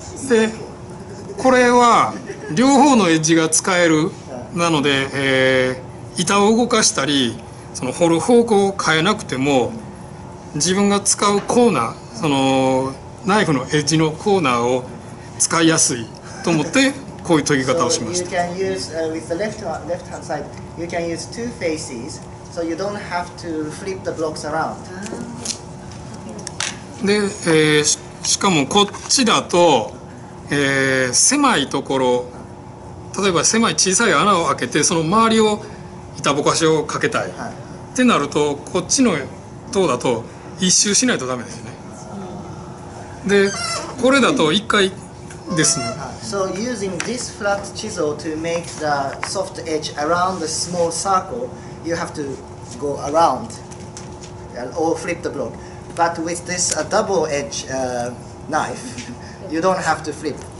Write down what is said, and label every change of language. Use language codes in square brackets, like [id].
[ja] で、これは両方のエッジが使えるなので、板を動かしたり、その掘る方向を変えなくても、自分が使うコーナー、そのナイフのエッジのコーナーを使いやすいと思ってこういう研ぎ方をしました。 [en] So you can use with the left hand side, you can use two faces, so you don't have to flip the blocks around. [ja] で、しかもこっちだと、狭いところ、例えば狭い小さい穴を開けてその周りを板ぼかしをかけたい。ってなるとこっちの塔だと一周しないとダメですね。でこれだと1回ですね。 [en] So using this flat chisel to make the soft edge around the small circle, you have to go around or flip the block. But with this double edge knife, you don't have to flip.